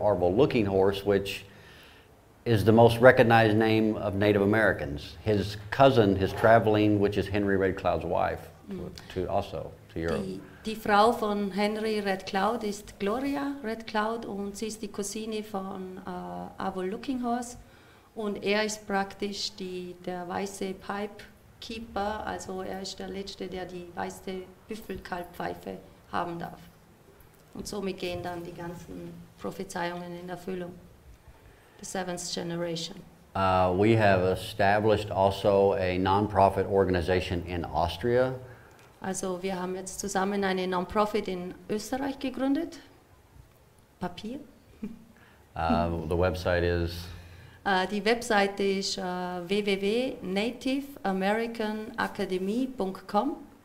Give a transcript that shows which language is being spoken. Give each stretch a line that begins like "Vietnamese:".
English: Arvel Looking Horse, which is the most recognized name of Native Americans. His cousin, his traveling, which is Henry Red Cloud's wife, to Europe.
German: Die Frau von Henry Red Cloud ist Gloria Red Cloud und sie ist die Cousine von Arvel Looking Horse. Und ist praktisch der weiße Pipe Keeper, also ist der Letzte, der die weiße Büffelkalbpfeife haben darf. Und somit gehen dann die ganzen Prophezeiungen in Erfüllung.
English: The seventh generation. We have established also a non-profit organization in Austria.
German: Also wir haben jetzt zusammen eine Non-Profit in Österreich gegründet. Papier.
English: The website is?
German: Die Webseite ist www.nativeamericanacademy.com.